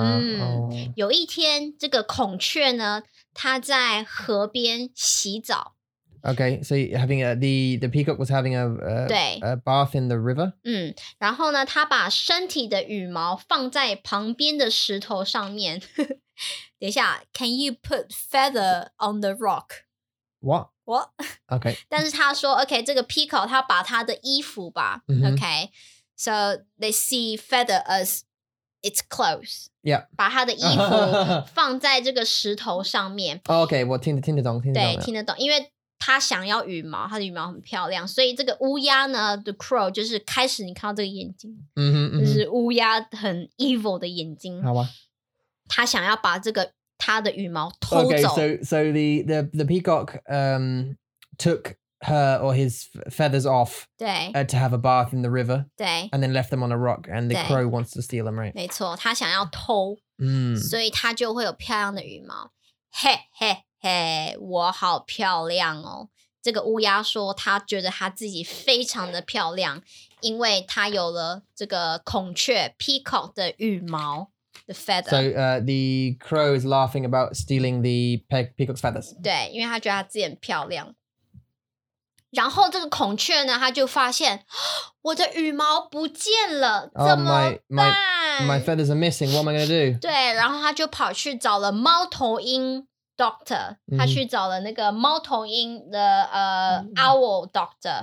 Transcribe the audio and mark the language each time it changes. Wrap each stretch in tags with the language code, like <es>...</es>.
<zh>嗯 有一天这个孔雀呢他在河边洗澡</zh> <en>okay so having a, the peacock was having a bath in the river</en> <zh>嗯然后呢他把身体的羽毛放在旁边的石头上面等一下</zh> <en>can you put feather on the rock what OK</en> <zh>但是他说 OK 这个 peacock 他把他的衣服吧、 mm-hmm.</zh> <en>OK So they see feather as its clothes Yeah</en> <zh>把他的衣服放在这个石头上面、 oh, OK 我听得懂对听得懂因为他想要羽毛他的羽毛很漂亮所以这个乌鸦呢 The crow 就是开始你看到这个眼睛、 mm-hmm. 就是乌鸦很 evil 的眼睛好吧他想要把这个他的羽毛偷走</zh> <en>Okay, so the peacock took her or his feathers off</en> <zh>对、</zh> <en>to have a bath in the river</en> <zh>对</zh> <en>and then left them on a rock and the crow wants to steal them, right?</en> <zh>没错他想要偷、嗯、所以他就会有漂亮的羽毛嘿嘿嘿我好漂亮哦这个乌鸦说他觉得他自己非常的漂亮因为他有了这个孔雀 peacock 的羽毛The feather.</zh> <en>So the crow is laughing about stealing the peacock's feathers.</en> <zh>对，因为他觉得他自己很漂亮。然后这个孔雀呢，他就发现我的羽毛不见了，怎么办</zh> <en>my feathers are missing. What am I going to do?</en> <zh>对，然后他就跑去找了猫头鹰 doctor. 他去找了那个猫头鹰的owl doctor.</zh>